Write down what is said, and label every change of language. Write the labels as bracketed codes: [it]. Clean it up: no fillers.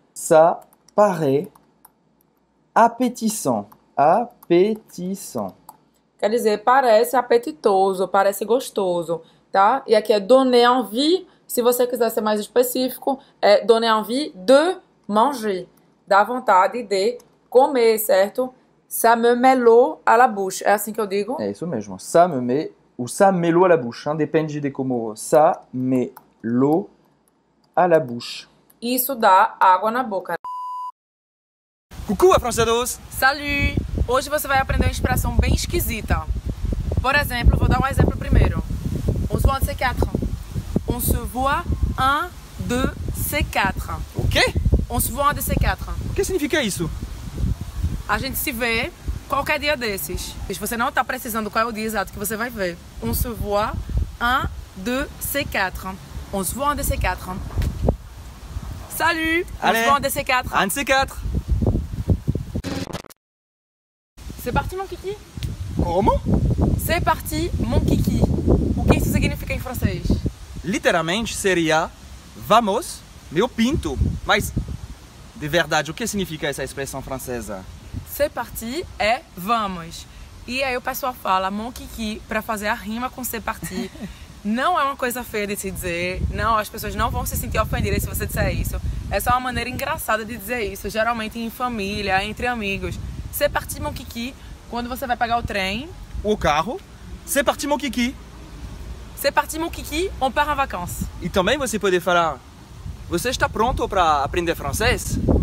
[fr] Ça paraît appétissant. Appétissant. [pt] Quer dizer, parece apetitoso, parece gostoso, tá? E aqui é donner envie. Se você quiser ser mais específico, é [fr] donner envie de manger. [pt] Dá vontade de comer, certo? [fr] Ça me met l'eau à la bouche. [pt] É assim que eu digo? É isso mesmo. [fr] Ça me met, ou ça me met l'eau à la bouche. Hein? [pt] Depende de como. [fr] Ça me l'eau à la bouche. [pt] Isso dá água na boca. [fr] Coucou, afrancedos! Salut! [pt] Hoje você vai aprender uma expressão bem esquisita. Por exemplo, vou dar um exemplo primeiro. [fr] On se voit ces quatre. On se voit un de ces quatre. Ok. On se voit un de ces quatre. [pt] O que significa isso? A gente se vê qualquer dia desses. Se você não está precisando qual é o dia exato que você vai ver. [fr] On se voit un de ces quatre. On se voit un de ces quatre. Salut. Allez. On se voit un de ces quatre. Un de ces quatre. C'est parti mon kiki. Comment? C'est parti mon kiki. [pt] O que isso significa em francês? Literalmente seria vamos, meu pinto. Mas, de verdade, o que significa essa expressão francesa? [fr] C'est parti [pt] é vamos. E aí o pessoal fala mon kiki para fazer a rima com [fr] c'est parti. [pt] Não é uma coisa feia de se dizer. Não, as pessoas não vão se sentir ofendidas se você disser isso. É só uma maneira engraçada de dizer isso, geralmente em família, entre amigos. [fr] C'est parti mon kiki, [pt] quando você vai pegar o trem. Ou o carro. [fr] C'est parti mon kiki. C'est parti mon kiki, on part en vacances. [pt] E também você pode falar, você está pronto para aprender francês?